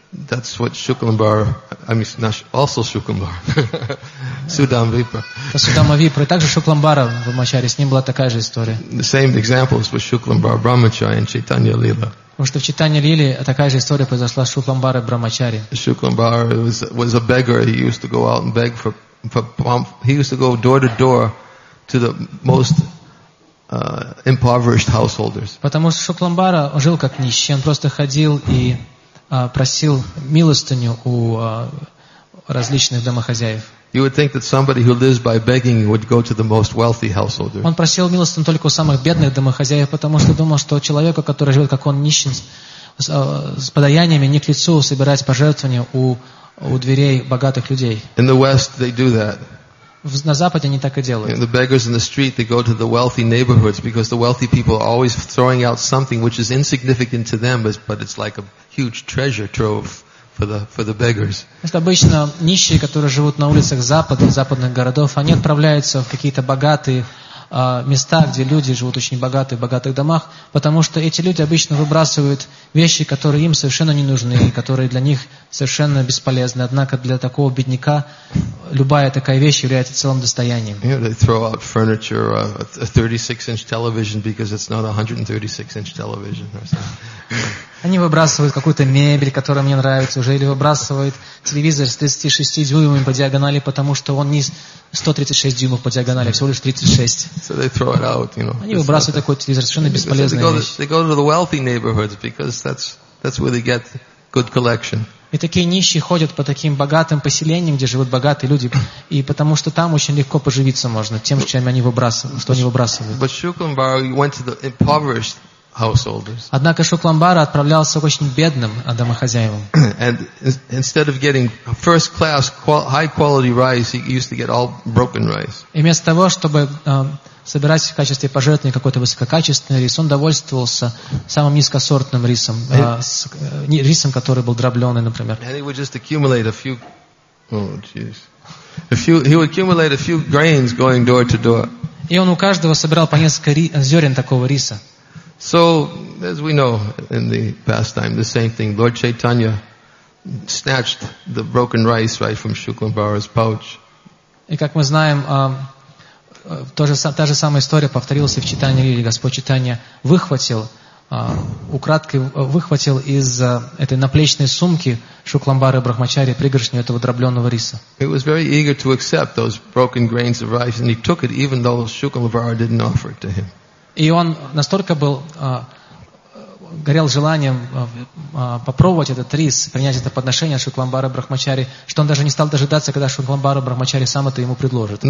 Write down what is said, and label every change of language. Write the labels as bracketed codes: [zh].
[en] That's what Shuklambara, I mean, also Shuklambara, Sudama Vipra. Sudama Vipra, and also Shuklambara Brahmachari, with him was the same story. The same examples with Shuklambara Brahmachari and Chaitanya Lila. [ru] Потому что в Читании Лили такая же история произошла с Шукламбарой Брамачари. [en] Shuklambara was a beggar. He used to go out and beg for he used to go door to door to the most impoverished householders. [ru] Потому что Шукламбара жил как нищий. Он просто ходил и просил милостыню у различных домохозяев. [en] You would think that somebody who lives by begging would go to the most wealthy householders. [ru] Он просил милостыню только у самых бедных домохозяев, потому что думал, что человеку, который живет как он нищий, с подаяниями не к лицу собирать пожертвования у дверей богатых людей. [en] In the West they do that. [ru] На Западе они так и делают. [en] The beggars in the street they go to the wealthy neighborhoods because the wealthy people are always throwing out something which is insignificant to them, but it's like a huge treasure trove for the beggars. [ru] Это обычно нищие, которые живут на улицах западных городов, они отправляются в какие-то богатые места, где люди живут очень богатые в богатых домах, потому что эти люди обычно выбрасывают вещи, которые им совершенно не нужны, которые для них совершенно бесполезны. Однако для такого бедняка любая такая вещь является целым достоянием. [en] Yeah, they throw out furniture, a 36-inch television because it's not a 136-inch television or something. [ru] Они выбрасывают какую-то мебель, которая мне нравится уже, или выбрасывают телевизор с 36-дюймами по диагонали, потому что он не 136 дюймов по диагонали, всего лишь 36. [en] So they throw it out, you know. [ru] Они выбрасывают такой телевизор, совершенно бесполезная вещь. [en] They go to the wealthy neighborhoods because that's where they get good collection. [ru] И такие нищие ходят по таким богатым поселениям, где живут богатые люди, и потому что там очень легко поживиться можно тем, что они выбрасывают. [en] But Shuklambara went to the impoverished householders. [ru] Однако Шукламбара отправлялся к очень бедным домохозяевам. [en] And instead of getting first class high quality rice, he used to get all broken rice. [ru] И вместо того, чтобы собирать в качестве пожертвования какой-то высококачественный рис, он довольствовался самым низкосортным рисом, рисом, который был дробленый, например. [en] And he would just accumulate a few, he would accumulate a few grains going door to door. [ru] И он у каждого собирал по несколько зерен такого риса. [en] So, as we know in the pastime, the same thing. Lord Chaitanya snatched the broken rice right from Shuklambara's pouch. [ru] И как мы знаем, та же самая история повторилась и в Читании Лили. Господь Читания выхватил, украдкой выхватил из этой наплечной сумки Шукламбары Брахмачари пригоршню этого дробленного риса. [en] He was very eager to accept those broken grains of rice, and he took it even though Shuklambara didn't offer it to him. [ru] И он настолько был горел желанием попробовать этот рис, принять это подношение от Шукламбары Брахмачари, что он даже не стал дожидаться, когда Шукламбара Брахмачари сам это ему предложит.